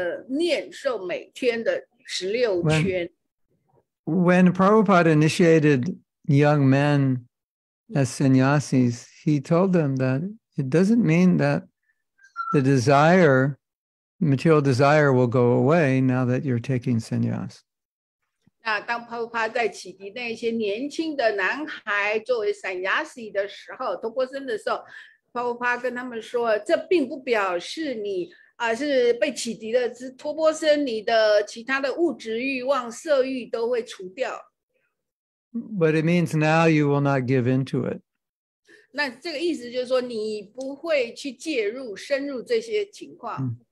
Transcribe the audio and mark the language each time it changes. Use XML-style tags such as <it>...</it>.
<zh>但是这个意思就是说，你现在立誓发誓是要好好的念诵每天的16圈。</zh> <en>When Prabhupada initiated young men as sannyasis, he told them that it doesn't mean that the desire, material desire, will go away now that you're taking sannyas.</en> <zh>那当帕布帕在启迪那些年轻的男孩作为散雅西的时候，托波森的时候，帕布帕跟他们说，这并不表示你是被启迪了，托波森你的其他的物质欲望、色欲都会除掉。</zh> <en>But it means now you will not give into it.</en> <zh>那这个意思就是说，你不会去介入、深入这些情况。</zh>